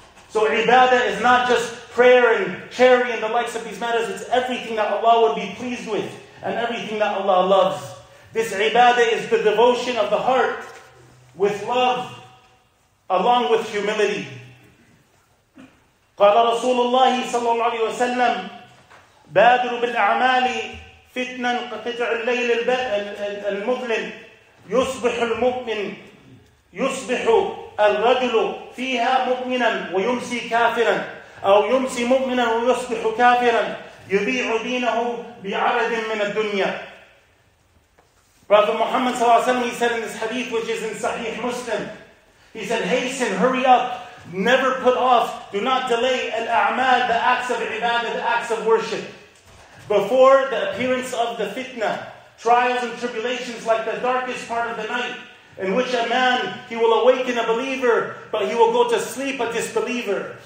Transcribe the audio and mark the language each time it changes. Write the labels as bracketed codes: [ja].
[en] So ibadah is not just prayer and charity and the likes of these matters, it's everything that Allah would be pleased with and everything that Allah loves. This ibadah is the devotion of the heart with love along with humility. [ar] قال رسول الله صلى الله عليه وسلم بادر بالأعمال فتنا قطع الليل المظلم يصبح المؤمن يصبح الرجل فيها مؤمنا ويمسي كافرا أو يمسي مؤمنا ويصبح كافرا يبيع دينه بعرض من الدنيا. [en] Prophet Muhammad صلى الله عليه وسلم, he said in this hadith which is in Sahih Muslim, he said, hasten, hurry up, never put off, do not delay al-a'mal, the acts of ibadah, the acts of worship, before the appearance of the fitna, trials and tribulations like the darkest part of the night, in which a man, he will awaken a believer, but he will go to sleep a disbeliever.